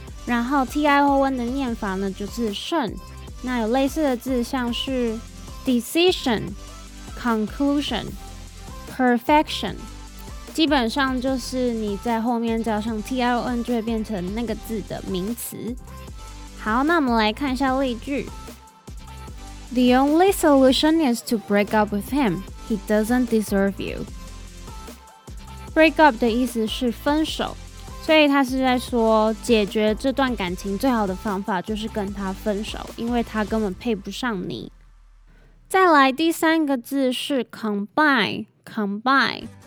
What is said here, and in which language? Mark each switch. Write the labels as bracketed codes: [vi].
[zh] 然后 tion 的念法呢，就是顺。那有类似的字，像是 decision、conclusion、perfection， 基本上就是你在后面加上 tion 就会变成那个字的名词。好，那我们来看一下例句。 [en] The only solution is to break up with him. He doesn't deserve you. [zh] Break up 的意思是分手，所以他是在说解决这段感情最好的方法就是跟他分手，因为他根本配不上你。再来第三个字是 combine, combine.